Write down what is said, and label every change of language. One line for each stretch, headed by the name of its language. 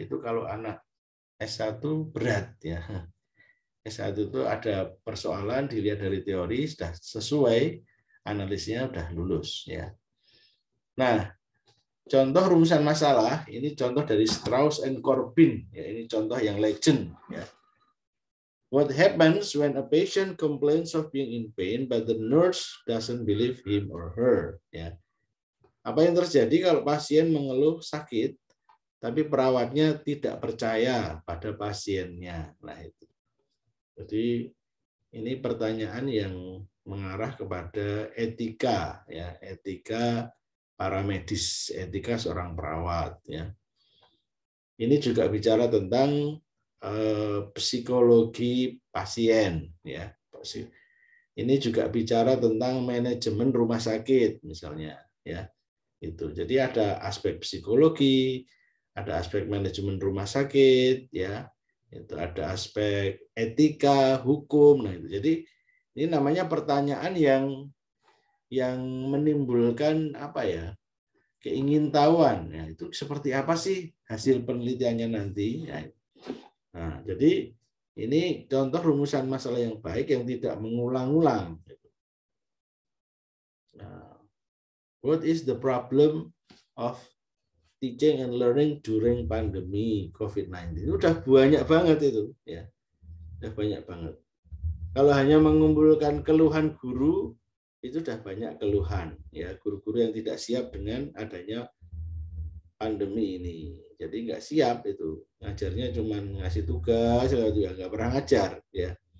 Indonesian: Itu kalau anak S1 berat, ya. S1 itu ada persoalan dilihat dari teori sudah sesuai, analisisnya sudah lulus, ya. Nah, contoh rumusan masalah ini contoh dari Strauss and Corbin, ya. Ini contoh yang legend, ya.
English: What happens when a patient complains of being in pain but the nurse doesn't believe him or her?
Indonesian: Ya. Apa yang terjadi kalau pasien mengeluh sakit tapi perawatnya tidak percaya pada pasiennya? Nah, itu. Jadi ini pertanyaan yang mengarah kepada etika, ya, etika para medis, etika seorang perawat, ya. Ini juga bicara tentang psikologi pasien, ya. Ini juga bicara tentang manajemen rumah sakit misalnya, ya. Itu. Jadi ada aspek psikologi, ada aspek manajemen rumah sakit, ya. Itu ada aspek etika, hukum. Nah, itu. Jadi ini namanya pertanyaan yang menimbulkan apa ya? Keingintahuan, ya. Itu seperti apa sih hasil penelitiannya nanti, ya. Nah, jadi ini contoh rumusan masalah yang baik yang tidak mengulang-ulang.
English: Nah, what is the problem of teaching and learning during pandemi COVID-19?
Indonesian: Udah banyak banget itu, ya. Udah banyak banget. Kalau hanya mengumpulkan keluhan guru, itu udah banyak keluhan, ya, guru-guru yang tidak siap dengan adanya pandemi ini. Jadi nggak siap itu. Ngajarnya cuma ngasih tugas, juga nggak pernah ngajar, ya.